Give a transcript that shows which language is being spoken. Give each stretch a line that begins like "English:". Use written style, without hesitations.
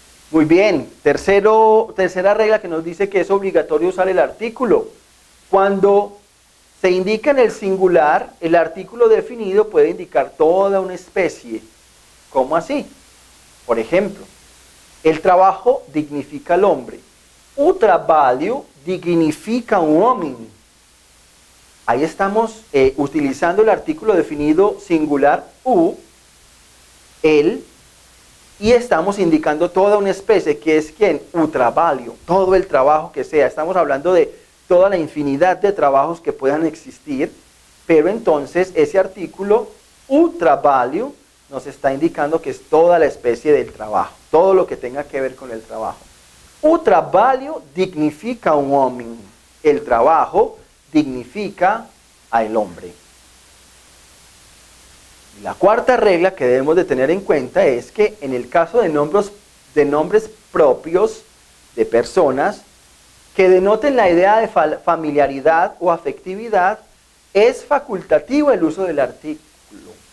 Spanish: Muy bien, tercera regla que nos dice que es obligatorio usar el artículo. Cuando se indica en el singular, el artículo definido puede indicar toda una especie. ¿Cómo así? Por ejemplo, el trabajo dignifica al hombre.
Portuguese: O trabalho dignifica un homem.
Spanish: Ahí estamos utilizando el artículo definido singular, u, el, y estamos indicando toda una especie, que es ¿quién?
Portuguese: U trabalho,
Spanish: todo el trabajo que sea. Estamos hablando de toda la infinidad de trabajos que puedan existir, pero entonces ese artículo, u trabalho, nos está indicando que es toda la especie del trabajo, todo lo que tenga que ver con el trabajo.
Portuguese: U trabalho dignifica un homem.
Spanish: El trabajo dignifica al hombre. Y la cuarta regla que debemos de tener en cuenta es que en el caso de nombres propios de personas que denoten la idea de familiaridad o afectividad, es facultativo el uso del artículo.